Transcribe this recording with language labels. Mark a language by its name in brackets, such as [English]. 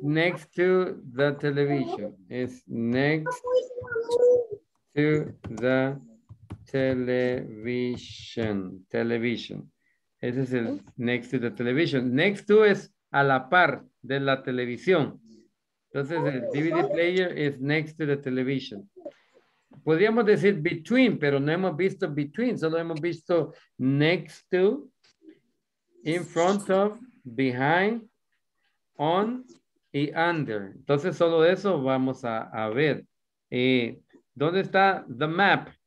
[English] Next to the television. It's next to the television. Television. [Spanish] Ese es el [English] next to the television. Next to [Spanish] es a la par de la televisión. Entonces, el [English] DVD player is next to the television. [Spanish] Podríamos decir between, pero no hemos visto between. Solo hemos visto next to, in front of, behind, on y under. Entonces, solo eso vamos a ver. ¿Dónde está [English] the map?